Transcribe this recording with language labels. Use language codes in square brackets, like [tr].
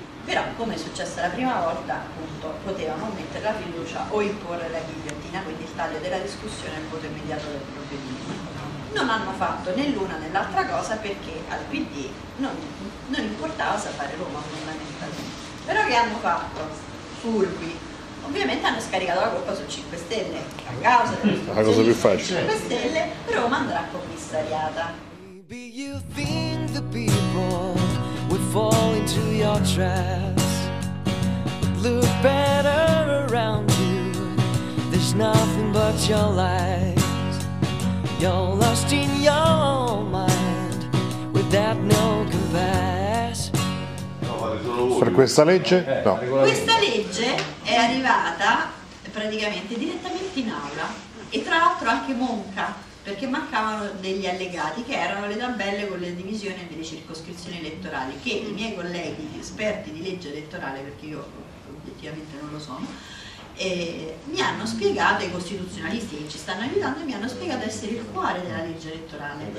[it] Però come è successo la prima volta, appunto, potevano mettere la fiducia o imporre la ghigliottina, quindi il taglio della discussione e il voto immediato del provvedimento. Non hanno fatto né l'una né l'altra cosa perché al PD non importava sapere Roma fondamentalmente. Però che hanno fatto? Furbi. Ovviamente hanno scaricato la colpa su 5 Stelle. A causa della cosa più facile. 5 Stelle, Roma andrà commissariata. [en] Maybe you think the people would fall into your traps, but look better around you, there's nothing but your life. You're lost in your mind without no compass. [it] Per questa legge? No. Questa legge è arrivata praticamente direttamente in aula e tra l'altro anche monca, perché mancavano degli allegati che erano le tabelle con le divisioni delle circoscrizioni elettorali, che i miei colleghi esperti di legge elettorale, perché io obiettivamente non lo sono, e mi hanno spiegato, i costituzionalisti che ci stanno aiutando mi hanno spiegato essere il cuore della legge elettorale,